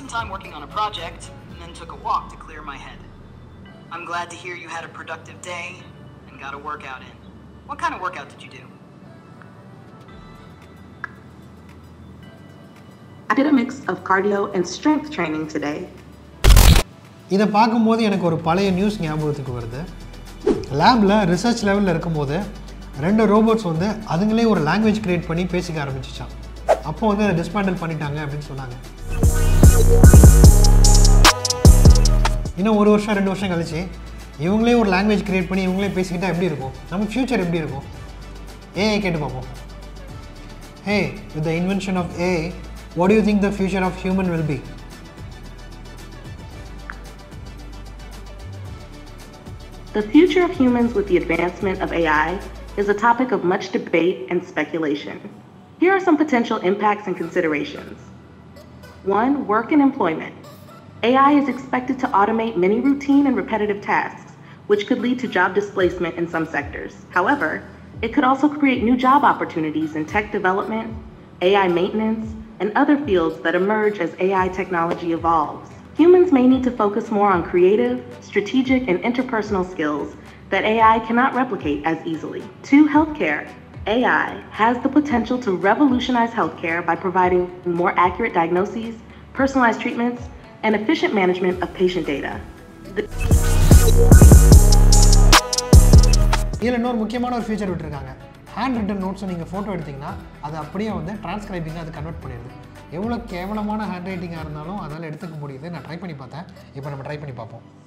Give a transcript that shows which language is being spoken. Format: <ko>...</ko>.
<en>Working on a project and then took a walk to clear my head. I'm glad to hear you had a productive day and got a workout in. What kind of workout did you do? I did a mix of cardio and strength training today.</en> <ta>இத பாக்கும்போது எனக்கு ஒரு பழைய news ஞாபகத்துக்கு வருது. லேப்ல research லெவல்ல இருக்கும்போது ரெண்டு ரோபோட்ஸ் வந்து அதுங்களே ஒரு லாங்குவேஜ் கிரியேட் பண்ணி பேசிக்க ஆரம்பிச்சுச்சான். அப்போ வந்து அதை டிஸ்பேண்டில் பண்ணிட்டாங்க அப்படின்னு சொன்னாங்க. இன்னும் ஒரு வருஷம் ரெண்டு வருஷம் கழிச்சு இவங்களே ஒரு லாங்குவேஜ் கிரியேட் பண்ணி இவங்களே பேசிக்கிட்டா எப்படி இருக்கும்? நம்ம ஃபியூச்சர் எப்படி இருக்கும்? ஏஐ கேட்டு பார்ப்போம்.</ta> <en>Hey, with the invention of AI, what do you think the future of human will be? The future of humans with the advancement of AI is a topic of much debate and speculation. Here are some potential impacts and considerations. 1. Work and employment. AI is expected to automate many routine and repetitive tasks, which could lead to job displacement in some sectors. However, it could also create new job opportunities in tech development, AI maintenance, and other fields that emerge as AI technology evolves. Humans may need to focus more on creative, strategic, and interpersonal skills that AI cannot replicate as easily. 2. Healthcare. AI has the potential to revolutionize healthcare by providing more accurate diagnoses, personalized treatments, and efficient management of patient data.</en> <ta>இதுல இன்னொரு முக்கியமான ஒரு feature விட்டுருக்காங்க. Hand return notes நீங்க photo எடுத்தீங்கன்னா அது அப்படியே வந்து டிரான்ஸ்கிரைபிங் அது கன்வெர்ட் பண்ணிடுது. எவ்வளவு கேவலமான ஹேண்ட் ரைட்டிங்காக இருந்தாலும் அதால எடுத்துக்க முடியுது. நான் ட்ரை பண்ணி பார்த்தேன். இப்போ நம்ம ட்ரை பண்ணி பார்ப்போம்.</ta>